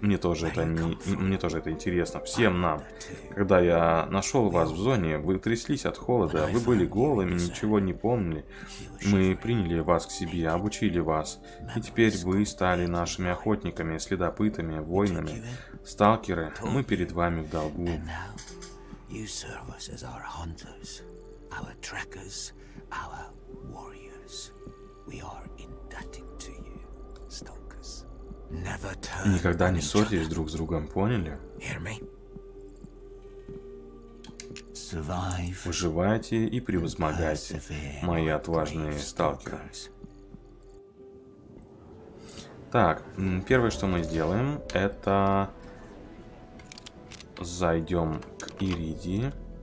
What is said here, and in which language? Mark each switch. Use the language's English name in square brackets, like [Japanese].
[Russian] Мне тоже это интересно, всем нам. Когда я нашел вас в зоне, вы тряслись от холода, вы были голыми, ничего не помнили. Мы приняли вас к себе, обучили вас, и теперь вы стали нашими охотниками, следопытами, воинами. Сталкеры, мы перед вами в долгу. [English] You serve us as our hunters, our trackers, our warriors. We are indebted to you, Stalkers. Never turn. [Russian] Никогда не ссорьтесь друг с другом, поняли? [English] Hear me? Survive. [Russian] Выживайте и превозмогайте, мои отважные сталкеры. Так, первое, что мы сделаем, это зайдем к Иридии.